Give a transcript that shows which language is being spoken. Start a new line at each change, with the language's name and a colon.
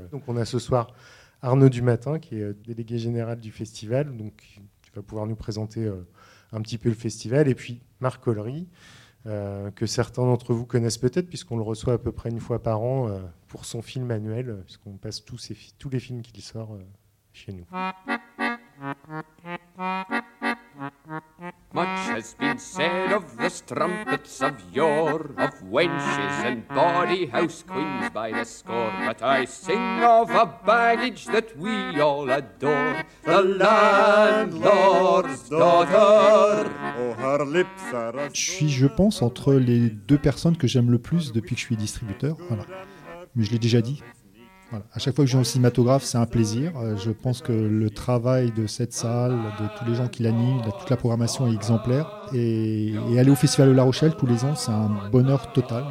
French: Donc on a ce soir Arnaud Dumatin, qui est délégué général du festival, donc tu vas pouvoir nous présenter un petit peu le festival, et puis Marc Ollery, que certains d'entre vous connaissent peut-être, puisqu'on le reçoit à peu près une fois par an pour son film annuel, puisqu'on passe tous les films qu'il sort chez nous.
English: Much has been said of the strumpets of yore, of wenches and bawdy house queens by the score, but I sing of a baggage that we all adore, the landlord's daughter. Oh, her lips are...
French: Je suis, je pense, entre les deux personnes que j'aime le plus depuis que je suis distributeur, voilà. Mais je l'ai déjà dit. Voilà. À chaque fois que je viens au cinématographe, c'est un plaisir. Je pense que le travail de cette salle, de tous les gens qui l'animent, de toute la programmation est exemplaire. Et aller au Festival de La Rochelle tous les ans, c'est un bonheur total.